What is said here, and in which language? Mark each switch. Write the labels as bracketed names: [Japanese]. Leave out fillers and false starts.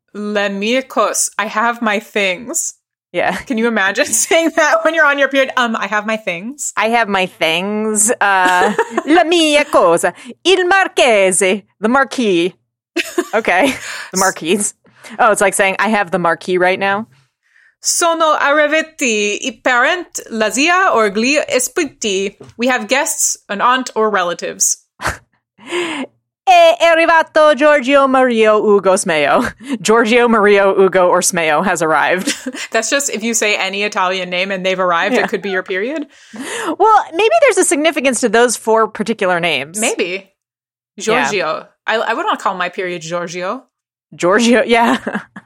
[Italian] Les miecos. [English] I have my things. Yeah. Can you imagine saying that when you're on your period? I have my things. I have my things. [Italian] la mia cosa. Il marchese. [English] The marquis. Okay. The marquis. Oh, it's like saying, I have the marquis right now. [Italian] Sono arrivati I parenti, la zia or gli ospiti. [English] We have guests, an aunt or relatives. [Italian] È arrivato Giorgio Mario Ugo Smeo. [English] Giorgio Mario Ugo or Smeo has arrived. That's just if you say any Italian name and they've arrived, yeah. It could be your period. Well, maybe there's a significance to those four particular names. Maybe. Giorgio. Yeah. I would not call my period Giorgio. Giorgio, yeah.